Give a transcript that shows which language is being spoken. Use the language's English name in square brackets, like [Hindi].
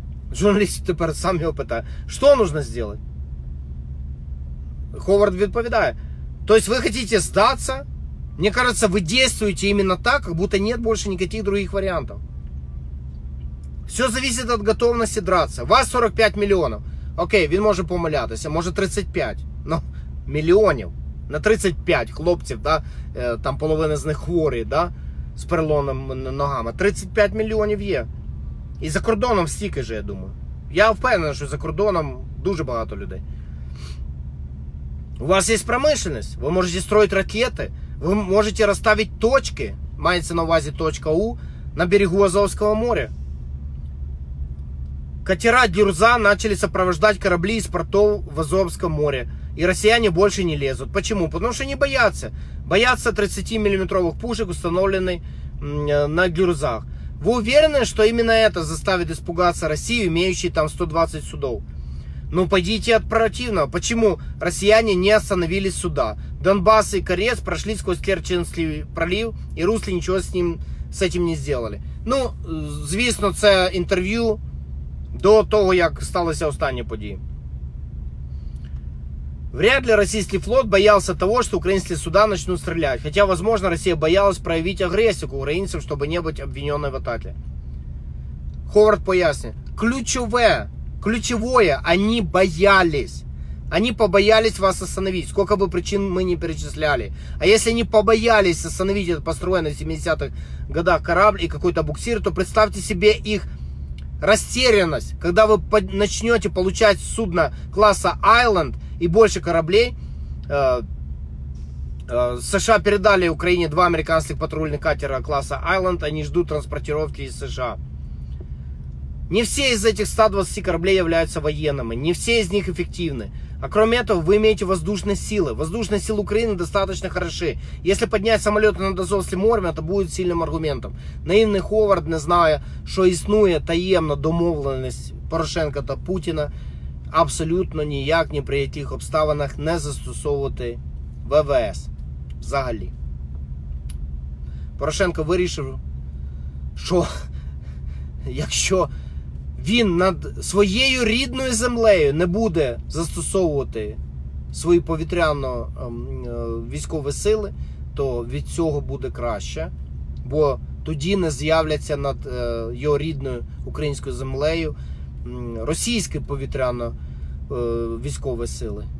[Russian] Журналист теперь сам его питает. Что нужно сделать? Ховард отвечает. То есть вы хотите сдаться? Мне кажется, вы действуете именно так, как будто нет больше никаких других вариантов. Все зависит от готовности драться. Вас 45 миллионов. [Ukrainian] Окей, він може помилятися, може 35, ну, мільйонів, на 35 хлопців, да, там половина з них хворі, да, з переломаними ногами, 35 мільйонів є. І за кордоном стільки ж, я думаю. Я впевнений, що за кордоном дуже багато людей. У вас є промисловість, ви можете строїти ракети, ви можете розставити точки, мається на увазі точка У, на берегу Азовського моря. [Russian] Катера «Дюрза» начали сопровождать корабли из портов в Азовском море. И россияне больше не лезут. Почему? Потому что они боятся. Боятся 30-миллиметровых пушек, установленных на «Дюрзах». Вы уверены, что именно это заставит испугаться Россию, имеющей там 120 судов? Ну, пойдите от противного. Почему россияне не остановили суда? Донбасс и Корец прошли сквозь Керченский пролив, и русли ничего с ним, с этим не сделали. [Ukrainian] Ну, звісно, це інтерв'ю до того, як сталася остання подія. Вряд ли російський флот боявся того, що українські суда почнуть стріляти. Хоча, можливо, Росія боялась проявити агресію українцям, щоб не бути обвиненою в атаці. Ховард пояснює. Ключове, вони боялись. Вони побоялись вас остановити, скільки б причин ми не перечисляли. А якщо вони побоялись остановити цей построєний в 70-х годах корабль і якийсь буксир, то представте собі їх розтерянність, коли ви почнете отримувати судно класу «Айленд» і більше кораблів. США передали Україні два американських патрульних катера класу «Айленд», вони чекають транспортування із США. [Russian] Не все из этих 120 кораблей являются военными, не все из них эффективны. А кроме этого, вы имеете воздушные силы. Воздушные силы Украины достаточно хороши. Если поднять самолеты над Азовским морем, это будет сильным аргументом. [Ukrainian] Наивный Ховард, не зная, что існує таємна домовленість Порошенка та Путіна, абсолютно ніяк ні при яких обставинах не застосовувати ВВС. Взагалі. Порошенко вирішив, що якщо він над своєю рідною землею не буде застосовувати свої повітряно-військові сили, то від цього буде краще, бо тоді не з'являться над його рідною українською землею російські повітряно-військові сили.